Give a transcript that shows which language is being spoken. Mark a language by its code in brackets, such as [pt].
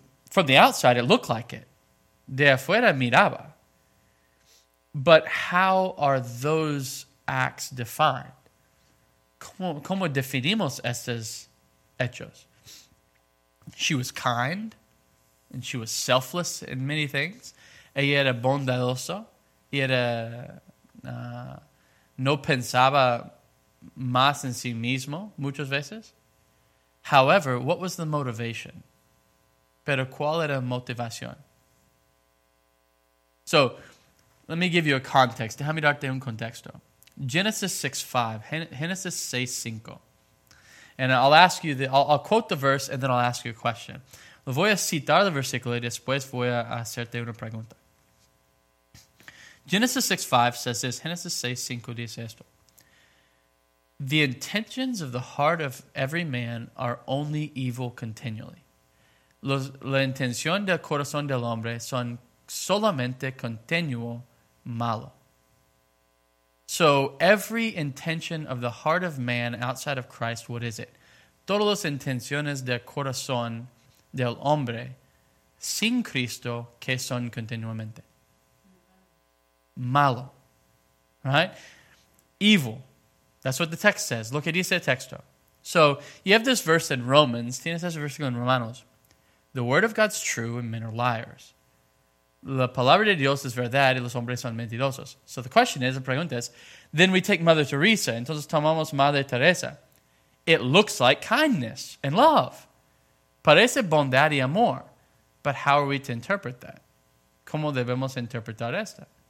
[en] From the outside, it looked like it. [es] De afuera miraba. [en] But how are those acts defined? [es] ¿Cómo definimos estos hechos? [en] She was kind, and she was selfless in many things. [es] Ella era bondadosa. Ella era, no pensaba más en sí mismo muchas veces. [en] However, what was the motivation? [es] Pero ¿cuál era motivación? [en] So, let me give you a context. [es] Déjame darte un contexto. [en] Genesis 6:5. And I'll ask you, I'll quote the verse and then I'll ask you a question. [es] Lo voy a citar el versículo y después voy a hacerte una pregunta. [en] Genesis 6:5 says this. Genesis 6:5 [es] dice esto. [en] The intentions of the heart of every man are only evil continually. [es] La intención del corazón del hombre son solamente continuo malo. [en] So every intention of the heart of man outside of Christ, what is it? [es] Todas las intenciones del corazón del hombre sin Cristo que son continuamente malo, right? [en] Evil. That's what the text says. [es] Lo que dice el texto. [en] So you have this verse in Romans. [es] Tienes ese versículo en Romanos. [en] The word of God's true and men are liars. [es] La palabra de Dios es verdad y los hombres son mentirosos. [en] So the question is, the [es] pregunta es, [en] then we take Mother Teresa, [es] entonces tomamos Madre Teresa. [en] It looks like kindness and love. [es] Parece bondad y amor. [en] But how are we to interpret that? [es] ¿Cómo debemos interpretar esto?